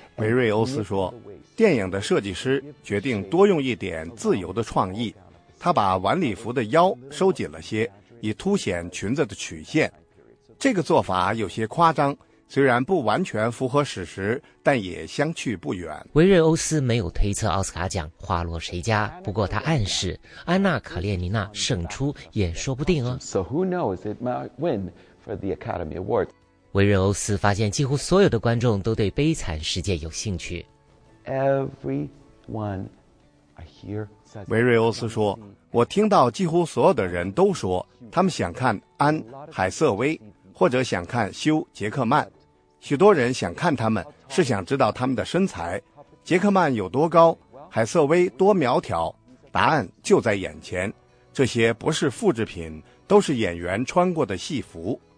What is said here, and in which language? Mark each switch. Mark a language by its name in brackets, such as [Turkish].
[Chinese] 维瑞欧斯说，电影的设计师决定多用一点自由的创意，他把晚礼服的腰收紧了些，以凸显裙子的曲线。这个做法有些夸张，虽然不完全符合史实，但也相去不远。维瑞欧斯没有推测奥斯卡奖花落谁家，不过他暗示安娜·卡列尼娜胜出也说不定哦。 [English] So who knows, it might win for the Academy Awards. [Chinese] 维瑞欧斯发现几乎所有的观众都对悲惨世界有兴趣。 [English] Everyone I hear says, [Chinese] 维瑞欧斯说，我听到几乎所有的人都说他们想看安·海瑟薇，或者想看修·杰克曼，许多人想看他们是想知道他们的身材，杰克曼有多高，海瑟薇多苗条，答案就在眼前，这些不是复制品，都是演员穿过的戏服。